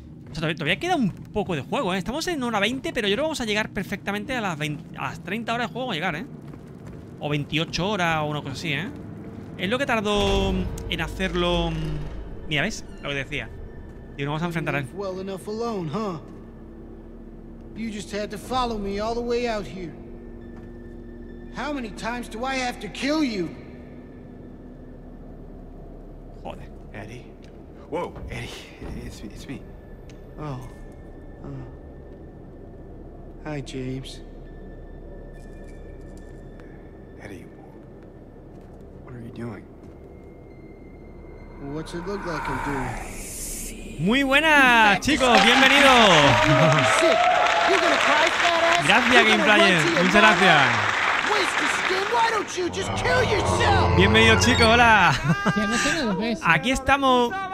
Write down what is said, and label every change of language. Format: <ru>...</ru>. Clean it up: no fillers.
<es>O sea, todavía queda un poco de juego, ¿eh? Estamos en hora 20, pero yo creo que vamos a llegar perfectamente a las 20, a las 30 horas de juego vamos a llegar, ¿eh? O 28 horas o una cosa así, ¿eh? Es lo que tardó en hacerlo. Mira, ¿ves? Lo que decía. Y nos vamos a enfrentar a él.</es> <en>Well enough alone, huh? You just had to follow me all the way out here. How many times do I have to kill you?</en> <es>Joder,</es> <en>Eddie. Whoa, Eddie, it's me. Oh. Hi, James. Eddie, what are you doing? What's it look like I'm doing?</en> <es>Muy buenas, chicos, bienvenido. Gracias, Gameplayer. Muchas gracias. Bienvenido, chicos, hola. Aquí estamos.</es>